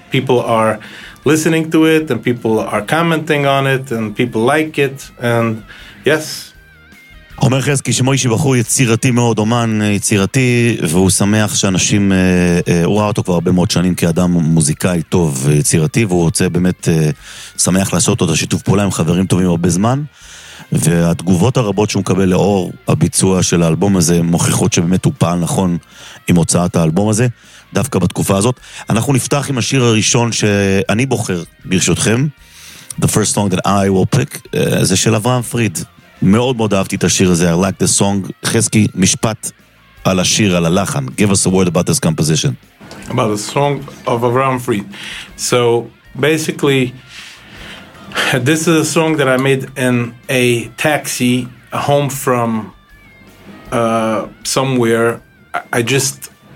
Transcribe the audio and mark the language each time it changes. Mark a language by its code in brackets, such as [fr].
[en] People are listening to it and people are commenting on it and people like it, and yes. [he] אומר חזקי שמוישי בחור יצירתי מאוד, אומן יצירתי, והוא שמח שאנשים, הוא ראה אותו כבר הרבה מאוד שנים כאדם מוזיקאי טוב ויצירתי, והוא רוצה באמת שמח לעשות אותו שיתוף פעולה עם חברים טובים הרבה זמן, והתגובות הרבות שהוא מקבל לאור הביצוע של האלבום הזה מוכיחות שבאמת הוא פעל נכון עם הוצאת האלבום הזה דווקא בתקופה הזאת. אנחנו נפתח עם השיר הראשון שאני בוחר ברשותכם, [en] The First Song That I Will Pick, [he] זה של אברהם פריד. מאוד מאוד אהבתי את השיר הזה, [en] I like the song. [he] חזקי, משפט על השיר, על הלחן. [en] Give us a word about this composition. About the song of Avraham Fried. So, basically, this is a song that I made in a taxi, home from somewhere. I just